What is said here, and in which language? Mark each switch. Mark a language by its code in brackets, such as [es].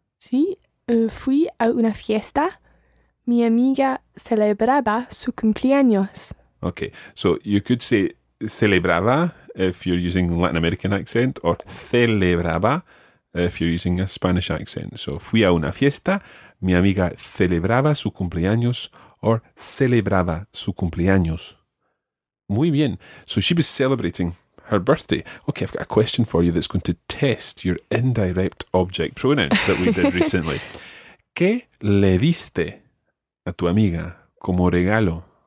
[es] Sí, fui a una fiesta. Mi amiga celebraba su cumpleaños. [en] Okay, so you could say celebraba if you're using Latin American accent, or celebraba if you're using a Spanish accent. [es] So fui a una fiesta. Mi amiga celebraba su cumpleaños, or celebraba su cumpleaños. Muy bien. [en] So she was celebrating her birthday. Okay, I've got a question for you that's going to test your indirect object pronouns that we did recently. [es] ¿Qué le diste a tu amiga como regalo?